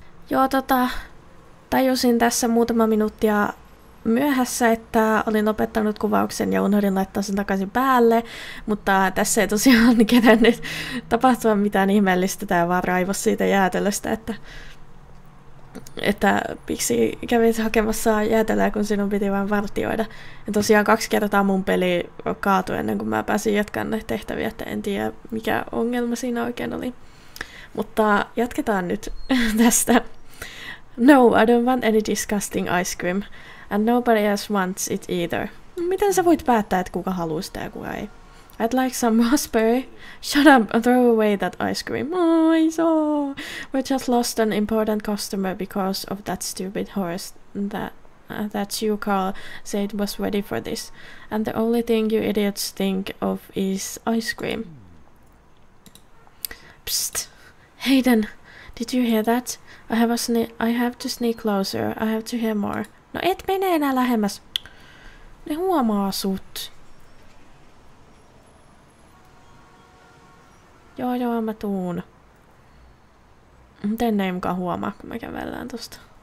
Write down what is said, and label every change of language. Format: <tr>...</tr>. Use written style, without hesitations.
<fi>Joo tajusin tässä muutama minuuttia myöhässä, että olin lopettanut kuvauksen ja unohdin laittaa sen takaisin päälle, mutta tässä ei tosiaan kerännyt tapahtua mitään ihmeellistä, tää vaan raivo siitä jäätelöstä, että miksi kävit hakemassa jäätelöä, kun sinun piti vain vartioida. Ja tosiaan 2 kertaa mun peli kaatui ennen kuin mä pääsin jatkaan näitä tehtäviä, että en tiedä mikä ongelma siinä oikein oli. Mutta jatketaan nyt tästä.</fi> <en>No, I don't want any disgusting ice cream. And nobody else wants it either.</en> <fi>Miten sä voit päättää, että kuka haluaa sitä ja kuka ei?</fi> <en>I'd like some raspberry. Shut up and throw away that ice cream. Oh, so we just lost an important customer because of that stupid horse that you call said was ready for this. And the only thing you idiots think of is ice cream. Psst. Hayden, did you hear that? I have to sneak closer. I have to hear more.</en> <fi>No et mene enää lähemmäs. Ne huomaa sut. Joo, joo, mä tuun. Miten ne ei mukaan huomaa, kun mä kävellään tosta?</fi>